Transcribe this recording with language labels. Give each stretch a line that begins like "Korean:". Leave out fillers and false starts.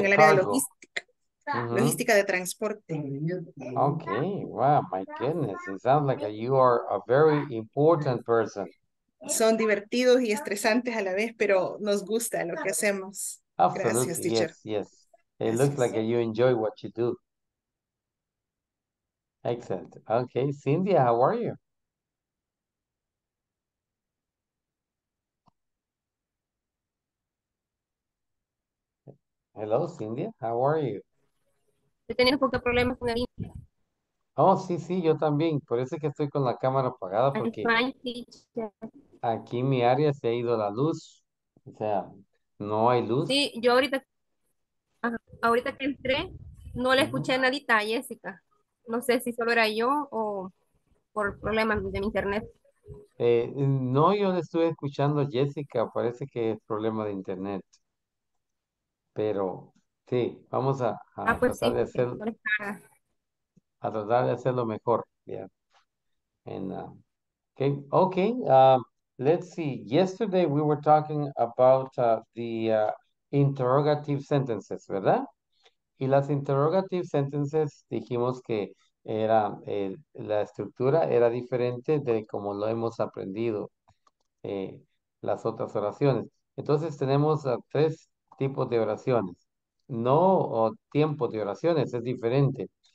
Spanish: en el área de logística, logística de transporte.
English: Okay, wow, my goodness. It sounds like you are a very important person.
Spanish: Son divertidos y estresantes a la vez, pero nos gusta lo que hacemos.
English: Absolutely.
Spanish: Gracias, teacher.
English: Yes, yes. It looks like you enjoy what you do. Excellent. Okay, Cynthia, how are you? Hello, Cynthia, how are you?
Spanish: Yo tenía un poco de problemas con la línea. Oh, sí, yo también. Por eso es que estoy con la cámara apagada porque aquí en mi área se ha ido la luz. O sea, no hay luz. Sí, yo ahorita que entré, no le escuché nadita a Jessica. No sé si solo era yo o por problemas de mi internet. No, yo le estuve escuchando a Jessica. Parece que es problema de internet. Pero sí, vamos pues tratar sí, de hacer, a tratar de hacer lo mejor.
English: Yeah. And, okay. Let's see. Yesterday we were talking about the interrogative sentences, ¿verdad?
Spanish: Y las interrogative sentences dijimos que era, la estructura era diferente de como lo hemos aprendido las otras oraciones. Entonces tenemos tres tipos de oraciones. No o tiempo de oraciones, es diferente.